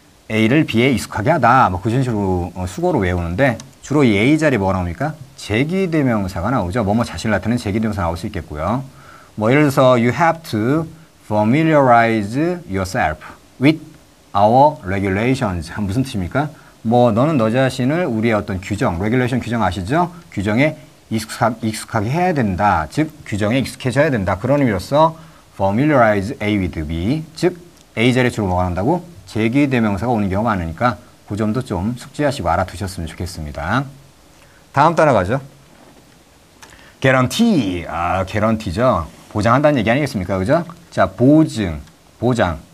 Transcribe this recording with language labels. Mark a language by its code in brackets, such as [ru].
[ko] A를 B에 익숙하게 하다. 뭐, 그 전식으로 수거로 외우는데, 주로 이 A 자리 뭐가 나옵니까? 제기대명사가 나오죠. 뭐뭐 자신을 나타내는 제기대명사가 나올 수 있겠고요. 뭐, 예를 들어서, [en] you have to familiarize yourself with our regulations. [ko] 무슨 뜻입니까? 뭐, 너는 너 자신을 우리의 어떤 규정, regulation 규정 아시죠? 규정에 익숙하게 해야 된다. 즉, 규정에 익숙해져야 된다. 그런 의미로서 familiarize A with B. 즉, A 자리에 주로 뭐가 난다고? 제기대명사가 오는 경우가 많으니까 그 점도 좀 숙지하시고 알아두셨으면 좋겠습니다. 다음 단어 가죠. guarantee. 아, guarantee죠. 보장한다는 얘기 아니겠습니까? 그죠? 자, 보증, 보장.